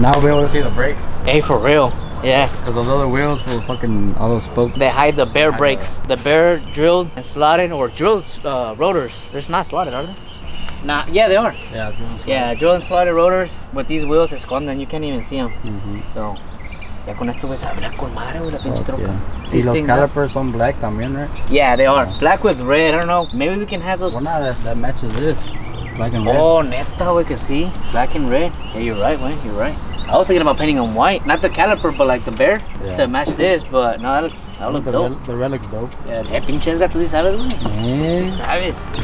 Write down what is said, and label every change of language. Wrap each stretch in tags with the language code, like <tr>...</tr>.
<en>Now we'll be able to see the brake. Hey, for real. Yeah. Because those other wheels will fucking, all those spokes. They hide the bare brakes. The bare drilled and slotted or drilled rotors. They're not slotted, are they? Nah, yeah, they are. Yeah, drilled and slotted rotors with these wheels</en> <es>esconden.</es> <en>You can't even see them. Mm-hmm.</en> <es>So, ya con esto voy a saber con madre, la pinche troca.</es> <en>Yeah. These calipers on black también, right? Yeah, they are. Black with red, I don't know. Maybe we can have those. Well, nah, that matches this. Black and red. Oh, neta, we can see. Black and red. Yeah, you're right, man. You're right. I was thinking about painting them white. Not the caliper, but like the bear. Yeah. To match this, but no, that looks dope. The red looks dope.</en> <es>Yeah, hey, pinches gato, si sabes, güey. Si sabes.</es>